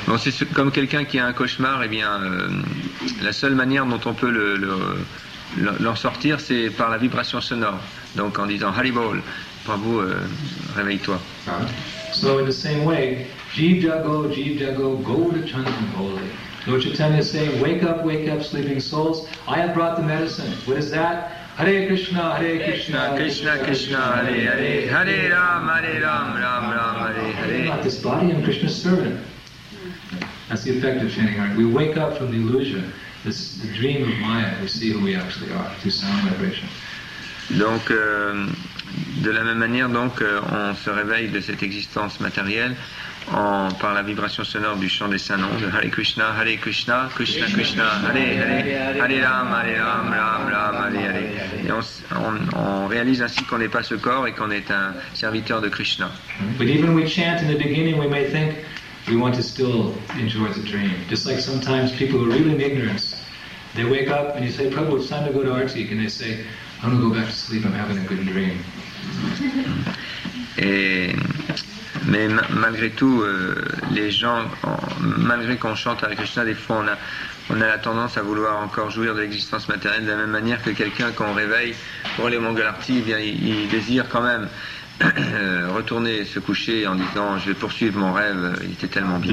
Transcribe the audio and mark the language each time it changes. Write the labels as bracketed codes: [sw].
[fr] Bon, c'est comme quelqu'un qui a un cauchemar, eh bien, la seule manière dont on peut l'en sortir, c'est par la vibration sonore. Donc, en disant Hari Bol, Prabhu, réveille-toi. [en] So, in the same way, [bn] jeev jago, [en] go to Chandanpoli. Lord Chaitanya is saying, wake up, sleeping souls. I have brought the medicine. What is that? [sa] Hare Krishna, Hare Krishna, Krishna Krishna, Krishna, Krishna Hare Hare, Hare Ram, Hare Ram, Ram Ram, Hare Hare. [en] I'm not this body, I'm Krishna's servant. That's the effect of chanting Hare. We wake up from the illusion, the dream of Maya, we see who we actually are, through sound vibration. [fr] Donc, de la même manière, donc, on se réveille de cette existence matérielle par la vibration sonore du chant des saints noms de Hare Krishna, Hare Krishna, Krishna Krishna, Hare Hare, Hare Rama, Hare Rama, Rama Rama, Hare Hare. Et on réalise ainsi qu'on n'est pas ce corps et qu'on est un serviteur de Krishna. [en] But even we chant in the beginning, we may think we want to still enjoy the dream. Just like sometimes people who are really in ignorance, they wake up and you say, Prabhu, it's time to go to Artik, and they say, I'm going to go back to sleep, I'm having a good dream. [fr] Mais malgré tout, les gens, malgré qu'on chante Hare Krishna, des fois on a la tendance à vouloir encore jouir de l'existence matérielle de la même manière que quelqu'un qu'on réveille pour les Mangalartis, il désire quand même retourner se coucher en disant je vais poursuivre mon rêve, il était tellement bien.